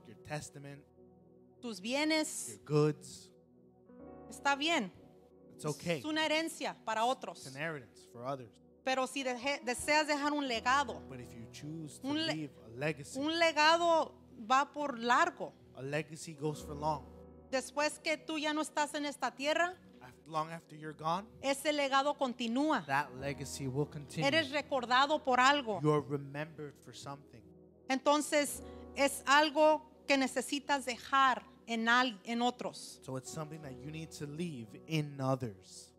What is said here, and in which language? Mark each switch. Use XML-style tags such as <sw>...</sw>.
<en>your testament,</en> <es>tus bienes,</es> <en>your goods.</en> <es>Está bien.</es> <en>It's okay.</en> <es>Es una herencia para otros.</es> <en>It's an inheritance for others.</en> <es>Pero si deseas dejar un legado,</es> <en>but if you choose to leave a legacy,</en> <es>un legado va por largo.</es> <en>A legacy goes for long.</en> <es>Después que tú ya no estás en esta tierra,</es> <en>long after you're gone,</en> <es>ese legado continúa.</es> <en>That legacy will continue.</en> <es>Eres recordado por algo.</es> <en>You are remembered for something.</en> <es>Entonces, es algo que necesitas dejar en otros.</es> <en>So it's something that you need to leave in others.</en>